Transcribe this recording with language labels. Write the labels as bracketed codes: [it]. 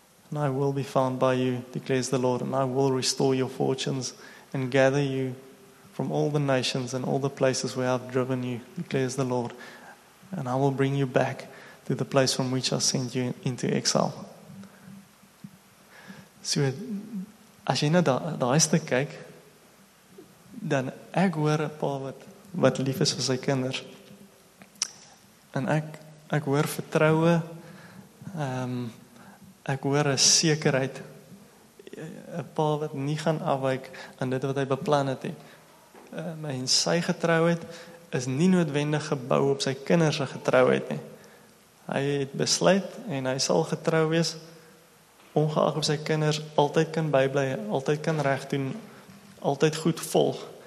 [en] And I will be found by you, declares the Lord, and I will restore your fortunes and gather you from all the nations and all the places where I've driven you, declares the Lord. And I will bring you back to the place from which I sent you into exile. [af] So, as jy na die stuk kyk, dan ek hoor een pa wat lief is vir sy kinders. En ek hoor vertroue, ek hoor een sekerheid, een pa wat nie gaan afwyk aan dit wat hy beplan het. En sy getrouheid is nie noodwendig gebou op sy kinders getrouheid. Hy het besluit en hy sal getrou wees, ongeag of sy kinders altyd kan bybly, altyd kan reg doen, altyd goed volg.